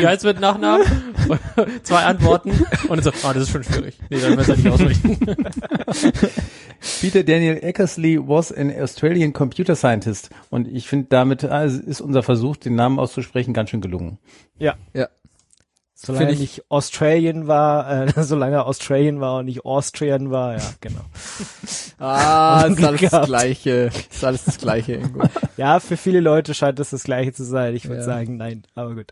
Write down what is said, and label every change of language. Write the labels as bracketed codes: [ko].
[de] Wie heißt mit Nachnamen? Zwei Antworten. Und so, das ist schon schwierig. Nee, dann müssen wir nicht ausrichten. [en] Peter Daniel Eckersley was an Australian Computer Scientist. [de] Und ich finde, damit ist unser Versuch, den Namen auszusprechen, ganz schön gelungen. Ja. Solange ich Australian war, solange Australian war und nicht Austrian war, ja, genau. Ah, ist alles das Gleiche. Ja, für viele Leute scheint es das Gleiche zu sein. Ich würde sagen, nein, aber gut.